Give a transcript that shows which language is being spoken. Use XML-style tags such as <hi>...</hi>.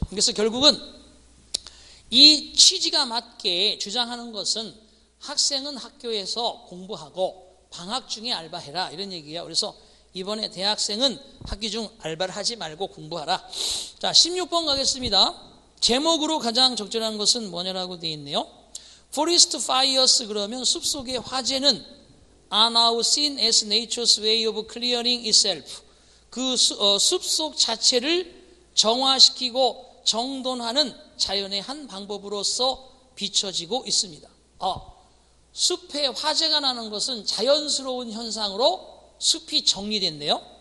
<ko>그래서 결국은 이 취지가 맞게 주장하는 것은 학생은 학교에서 공부하고 방학 중에 알바해라 이런 얘기야. 그래서 이번에 대학생은 학기 중 알바를 하지 말고 공부하라. 자, 16번 가겠습니다. 제목으로 가장 적절한 것은 뭐냐라고 되어 있네요.</ko> <en>Forest fires,</en> <ko>그러면 숲속의 화재는</ko> <en>are now seen as nature's way of clearing itself.</en> <ko>그 숲속 자체를 정화시키고 정돈하는 자연의 한 방법으로서 비춰지고 있습니다. 숲에 화재가 나는 것은 자연스러운 현상으로 숲이 정리됐네요.</ko>